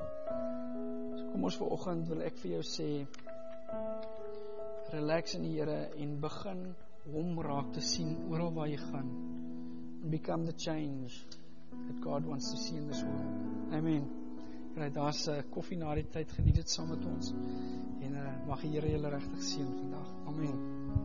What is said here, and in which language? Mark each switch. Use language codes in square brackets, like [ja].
[af] Kom ons vanoggend wil ek vir jou sê, relax in die Here en begin hom raak te sien oral waar jy gaan. [en] And become the change that God wants to see in this world. [af] Amen. Right, daar's 'n koffie na die tyd, geniet dit saam met ons. En mag die Here julle regtig seën vandag. Amen.